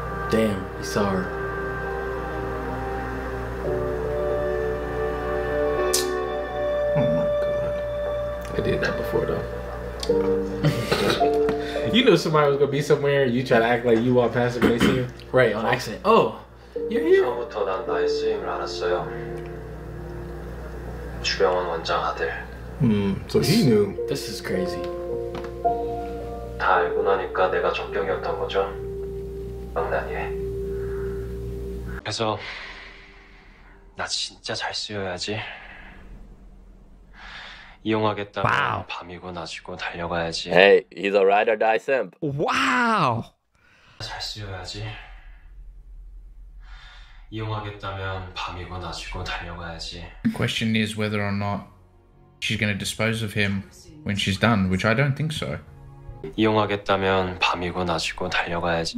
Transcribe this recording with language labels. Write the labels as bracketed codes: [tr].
[en] Damn, he saw her. Oh my god. I did that before though. You knew somebody was gonna be somewhere, and you try to act like you walk past them and they see you. Right, on accident. Oh, you're here. [ko] 처음부터 난 나의 쓰임을 알았어요. 주병원 원장 아들. [en] So he knew. This is crazy. [ko] 다 알고 나니까 내가 적경이었던 거죠. 장난이에요. 그래서 나 진짜 잘 쓰여야지. 이용하겠다면 [en] wow. [ko] 밤이고 낮이고 달려가야지. [en] Hey, he's a ride or die simp. Wow. [ko] 잘 쓰여야지. 이용하겠다면 밤이고 낮이고 달려가야지. [en] Question is whether or not she's going to dispose of him when she's done, which I don't think so. [ko] 이용하겠다면 밤이고 낮이고 달려가야지.